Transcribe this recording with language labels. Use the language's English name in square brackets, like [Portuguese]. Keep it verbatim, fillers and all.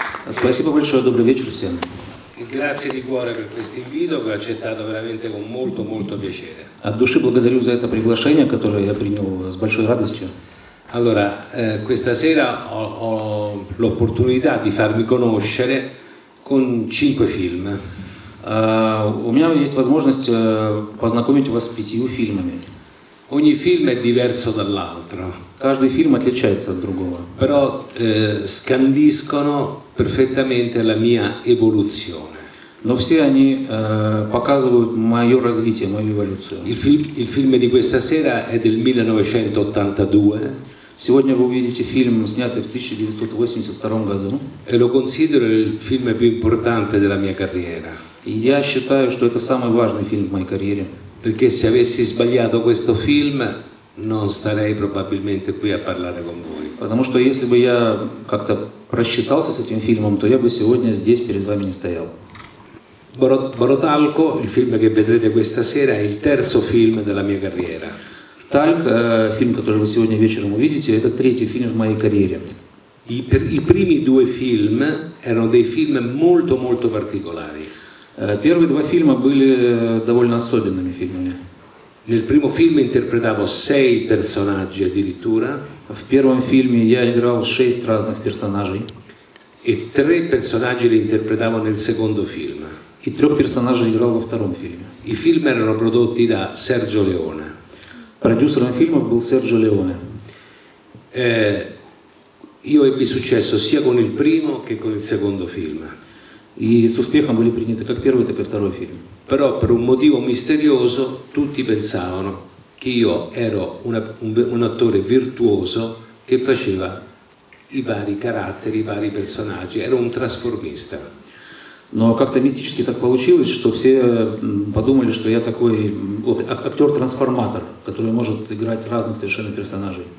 [Russian] Спасибо большое, добрый вечер всем. [Italian] Grazie di cuore per questo invito che ho accettato veramente con molto molto piacere. [Russian] От души благодарю за это приглашение, которое я принял с большой радостью. [Italian] Allora, eh, questa sera ho, ho l'opportunità di farmi conoscere con cinque film. [Russian] Uh, у меня есть возможность uh, познакомить вас с пятью фильмами. [Italian] Ogni film è diverso dall'altro. [Russian] Каждый фильм отличается от другого. [Italian] Però eh, scandiscono perfettamente la mia evoluzione. [Russian] Но все они uh, показывают мое развитие, мою эволюцию. [Italian] Il, fi- il film di questa sera è del millenovecentottantadue. [Russian] Сегодня вы увидите фильм, снятый в тысяча девятьсот восемьдесят втором году. [Italian] E lo considero il film più importante della mia carriera. [Russian] И я считаю, что это самый важный фильм в моей карьере. [Italian] Perché se avessi sbagliato questo film non starei probabilmente qui a parlare con voi. [Russian] Потому что если бы я как-то просчитался с этим фильмом, то я бы сегодня здесь перед вами не стоял. [Italian] Borotalco, il film che vedrete questa sera, è il terzo film della mia carriera. [Russian] Talc, э, фильм, который вы сегодня вечером увидите, это третий фильм в моей карьере. [Italian] I, I primi due film erano dei film molto molto particolari. [Russian] Первые два фильма были довольно особенными фильмами. [Italian] Nel primo film interpretavo sei personaggi addirittura. [Russian] В первом фильме я играл шесть разных персонажей. [Italian] E tre personaggi li interpretavo nel secondo film. [Russian] И трех персонажей играл во втором фильме. [Italian] I film erano prodotti da Sergio Leone. [Russian] Продюсером фильмов был Серджио Леоне. Eh, [Italian] Io ebbi successo sia con il primo che con il secondo film. [Russian] И с успехом были приняты как первый, так и второй фильм. [Italian] Però per un motivo misterioso tutti pensavano che io ero una, un, un attore virtuoso che faceva i vari caratteri, i vari personaggi, ero un trasformista. [Russian] Но как-то мистически так получилось, что все подумали, что я такой актер-трансформатор, который может играть разных совершенно персонажей.